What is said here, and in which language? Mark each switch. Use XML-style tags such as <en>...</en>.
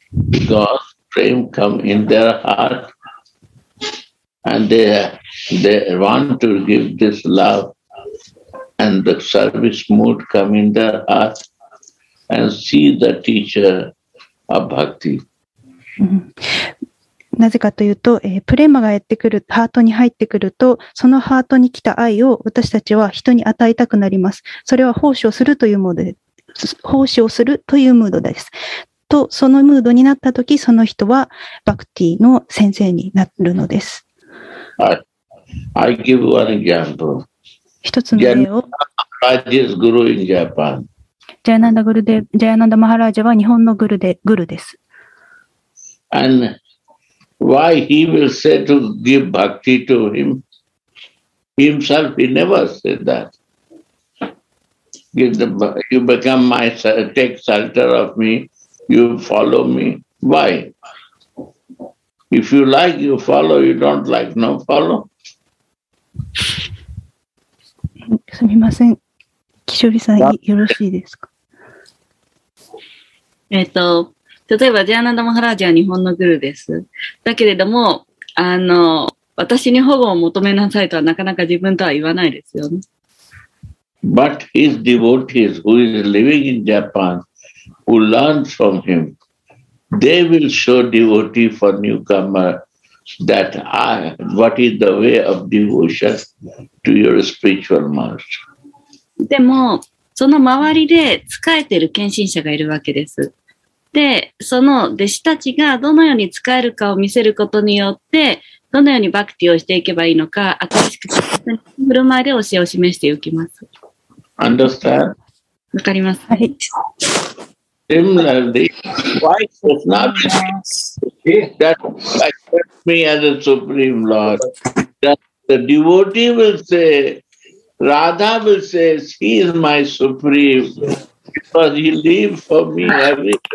<en>Because dream come in their heart and they want to give this loveAnd the service mood come in their heart and see the teacher of bhakti.</en> <ja>なぜかというと、プレマがやってくる、ハートに入ってくると、そのハートに来た愛を私たちは人に与えたくなります。それは奉仕をするというムードで、奉仕をするというムードです。と、そのムードになったとき、その人はバクティの先生になるのです。</ja> <en>I give one example.</en> <ja>一つの例を。ジャヤナンダマハラージャは日本のグルです。</ja> <en>And why he will say to give bhakti to him? Himself, he never said that. You become my, take shelter of me, you follow me. Why? If you like, you follow, you don't like, no follow.</en> <ja>すみません、キショリさんよろしいですか。例えばジャーナンダマハラージャは日本のグルです。だけれども私に保護を求めなさいとはなかなか自分とは言わないですよね。</ja> <en>But his devotees who is living in Japan, who learned from him, they will show devotee for newcomer. That I, what is the way of devotion to your spiritual master?</en> <ja>でもその周りで仕えている献身者がいるわけです。で、その弟子たちがどのように仕えるかを見せることによって、どのようにバクティをしていけばいいのか、新しく振る舞いで教えを示していきます。</ja> <en>Understand?</en> <ja>わかります。はい。</ja> <en>Similarly, why Krishna that accept me as a supreme lord? That the devotee will say, Radha will say, he is my supreme because he lives for me every</en>